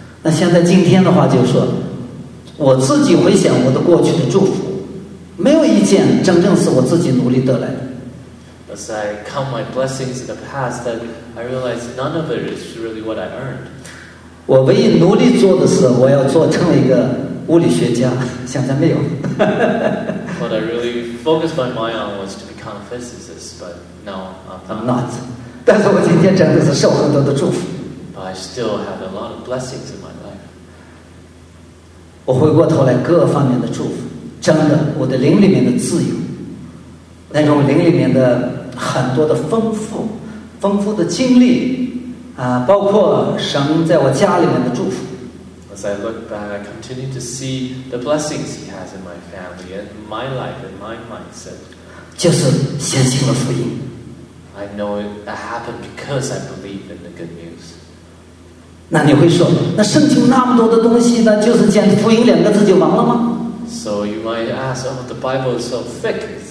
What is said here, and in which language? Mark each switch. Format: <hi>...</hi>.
<zh>那像在今天的话，就是说，我自己回想我的过去的祝福，没有一件真正是我自己努力得来的。</zh> <en>As I count my blessings in the past, that I realize none of it is really what I earned.</en> <zh>我唯一努力做的是，我要做成为一个物理学家。现在没有。</zh> <en>What I really focused my mind on was to become a physicist, but no, I'm not.</en> <zh>但是我今天真的是受很多的祝福。</zh> <en>But I still have a lot of blessings in my life.</en> <zh>我回过头来，各方面的祝福，真的，我的灵里面的自由。那种灵里面的很多的丰富，丰富的经历，啊，包括神在我家里面的祝福。</zh> <en>As I look back, I continue to see the blessings He has in my family and my life and my mindset.</en> <zh>就是相信了福音。</zh> <en>I know that happened because I believe in the good news.</en> <zh>那你会说，那圣经那么多的东西呢，就是讲福音两个字就完了吗</zh> <en>？So you might ask, oh, the Bible is so thick.</en>